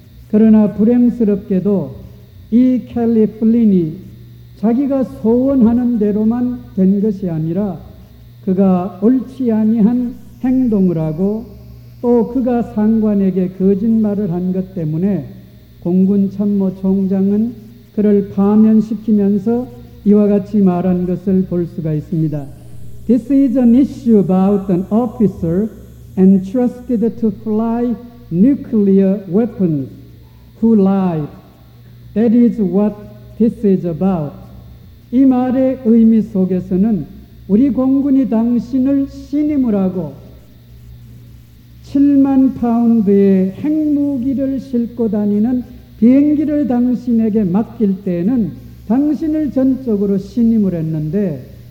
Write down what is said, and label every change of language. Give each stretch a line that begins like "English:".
Korean: 그러나 불행스럽게도 이 켈리 플린이 자기가 소원하는 대로만 된 것이 아니라 그가 옳지 아니한 행동을 하고 또 그가 상관에게 거짓말을 한 것 때문에 공군 참모 총장은 그를 파면시키면서 이와 같이 말한 것을 볼 수가 있습니다.
English: This is an issue about an officer entrusted to fly nuclear weapons. Who lied? That is what this is about.
Korean: 이 말의 의미 속에서는 우리 공군이 당신을 신임을 하고 7만 파운드의 핵무기를 싣고 다니는 비행기를 당신에게 맡길 때에는 당신을 전적으로 신임을 했는데